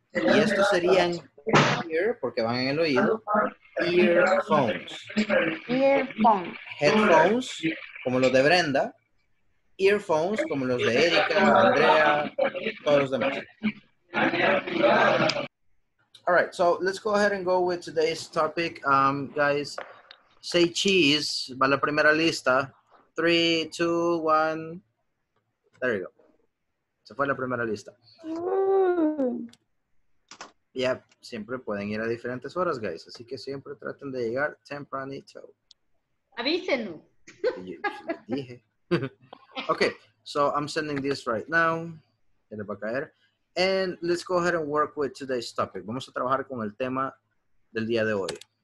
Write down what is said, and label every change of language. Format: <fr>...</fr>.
<es>Y estos serían ear, porque van en el oído.</es> <en>Earphones. Earphones.</en> <es>Headphones, como los de Brenda. Earphones, como los de Erika, Andrea, todos los demás.</es> <en>All right, so let's go ahead and go with today's topic. Guys, say cheese.</en> <es>Va la primera lista. 3, 2, 1.</es> <en>There you go.</en> <es>Se fue la primera lista. Yep, siempre pueden ir a diferentes horas, guys. Así que siempre traten de llegar tempranito. Avísenos.</es> <en>Dije. Okay, so I'm sending this right now.</en> <es>Se le va a caer.</es> <en>And let's go ahead and work with today's topic.</en> <es>Vamos a trabajar con el tema del día de hoy.</es>